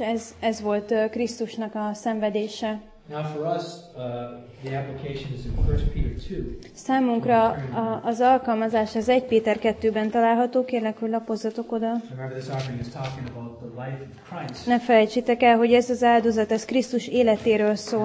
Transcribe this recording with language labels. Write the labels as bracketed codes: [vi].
[hu] És ez volt Krisztusnak a szenvedése. [en] Now for us, the application is in 1 Peter 2. [hu] Számunkra az alkalmazás az 1 Péter 2-ben található, kérlek, hogy lapozzatok oda. [en] Remember, this offering is talking about the life of Christ. [hu] Ne felejtsétek el, hogy ez az áldozat, ez Krisztus életéről szól.